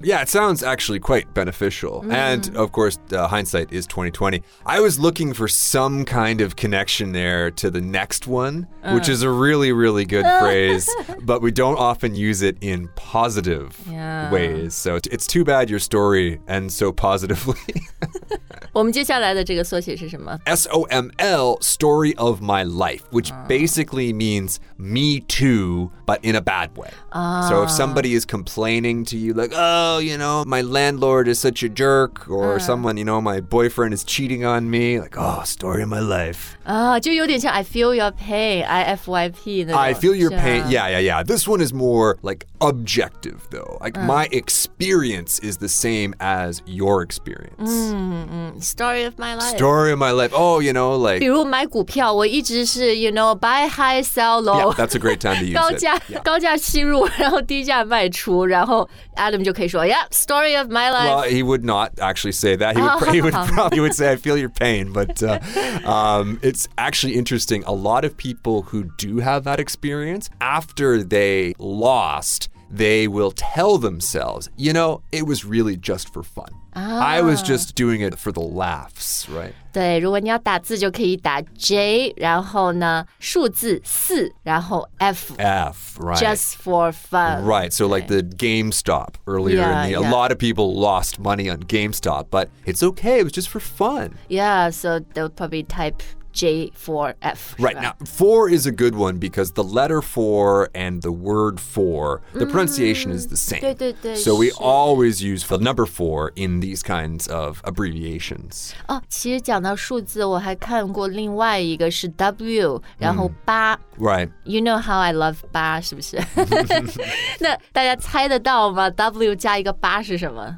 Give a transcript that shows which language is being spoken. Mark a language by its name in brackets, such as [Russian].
[English] Yeah, it sounds actually quite beneficial. Mm. And of course, hindsight is 2020. I was looking for some kind of connection there to the next one, which is a really, really good phrase, but we don't often use it in positive ways. So it's too bad your story ends so positively. [Chinese] 我们接下来的这个缩写是什么 [English] ?SOML, Story of My Life, which basically means me too, but in a bad way. So if somebody is complaining to you like, oh, you know, my landlord is such a jerk, or someone, you know, my boyfriend is cheating on me, like, oh, story of my life. [Chinese] 就有点像 [English] I feel your pain, [Chinese] IFYP 那种。 [English] I feel your pain, yeah, yeah, yeah. This one is more like objective though. Like my experience is the same as your experience. Story of my life. Story of my life. Oh, you know, like... [Chinese] 比如买股票,我一直是, [English] you know, buy high, sell low. Yeah, that's a great time to use [Chinese] 高价, [English] it. [Chinese] Yeah. 高价吸入,然后低价卖出,然后 Adam 就可以说, [English] yeah, story of my life. Well, he would not actually say that. He would, he would probably would say, I feel your pain. But it's actually interesting. A lot of people who do have that experience, after they lost, they will tell themselves, you know, it was really just for fun. I was just doing it for the laughs, right? [Chinese] 对，如果你要打字就可以打 J, 然后呢数字四，然后 F. [English] F, right. Just for fun. Right, so like the GameStop earlier. Yeah, in the, a lot of people lost money on GameStop, but it's okay, it was just for fun. Yeah, so they'll probably type J for F. Right, now, four is a good one because the letter four and the word four, the pronunciation is the same. [Chinese] 对对对 [English] so we always use the number four in these kinds of abbreviations. [Chinese] 哦，其实讲到数字，我还看过另外一个是 W, 然后八。 [English] Right. You know how I love 八，是不是？ [Chinese] 那大家猜得到吗 ？W 加一个八是什么